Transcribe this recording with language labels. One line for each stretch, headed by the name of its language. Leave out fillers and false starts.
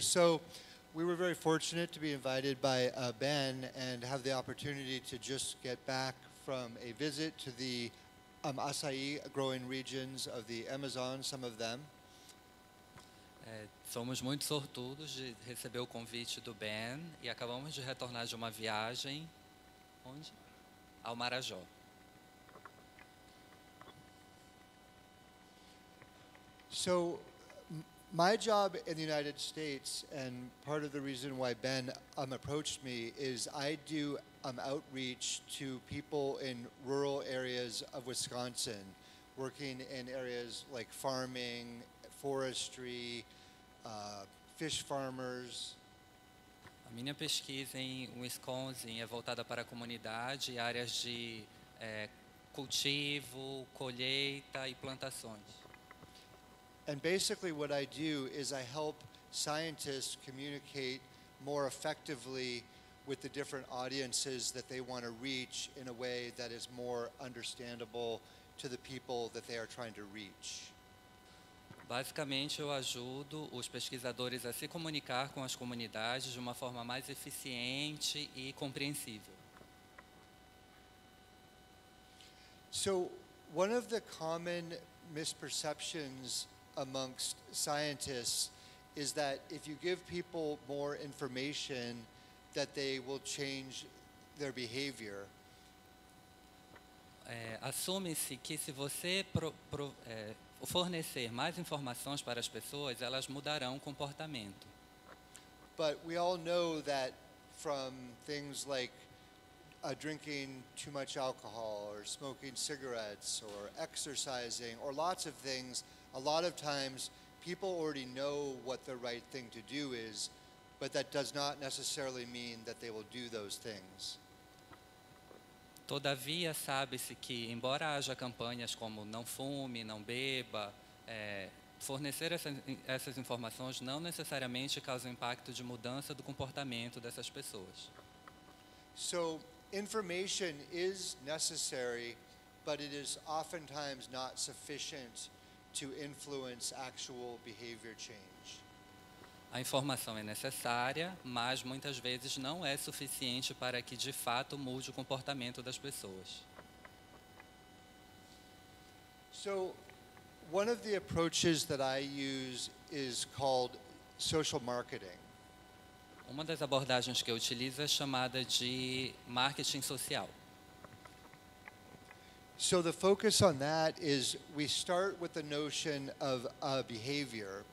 English: So, we were very fortunate to be invited by Ben and have the opportunity to just get back from a visit to the açaí growing regions of the Amazon, some of them.
Portuguese: Somos muito sortudos de receber o convite do Ben e acabamos de retornar de uma viagem, onde? Ao Marajó.
English: So, My job in the United States, and part of the reason why Ben approached me, is I do outreach to people in rural areas of Wisconsin, working in areas like farming, forestry, fish farmers.
Portuguese: A minha pesquisa em Wisconsin é voltada para a comunidade e áreas de cultivo, colheita e plantações.
English: And basically what I do is I help scientists communicate more effectively with the different audiences that they want to reach in a way that is more understandable to the people that they are trying to reach.
Portuguese: Basicamente, eu ajudo os pesquisadores a se comunicar com as comunidades de uma forma mais eficiente e compreensível.
English: So, one of the common misperceptions amongst scientists is that if you give people more information, that they will change their behavior.
Portuguese: Assume-se que se você fornecer mais informações para as pessoas, elas mudarão o comportamento.
English: But we all know that from things like drinking too much alcohol or smoking cigarettes or exercising or lots of things, a lot of times people already know what the right thing to do is, but that does not necessarily mean that they will do those things.
Portuguese: Todavia, sabe-se que, embora haja campanhas como não fume, não beba, fornecer essas informações não necessariamente causa impacto de mudança do comportamento dessas pessoas.
English: So, information is necessary, but it is oftentimes not sufficient to influence actual behavior change.
Portuguese: A informação é necessária, mas muitas vezes não é suficiente para que de fato mude o comportamento das pessoas.
English: So, one of the approaches that I use is called social marketing.
Portuguese: Uma das abordagens que eu utilizo é chamada de marketing social.
English: So the focus on that is we start with the notion of a behavior.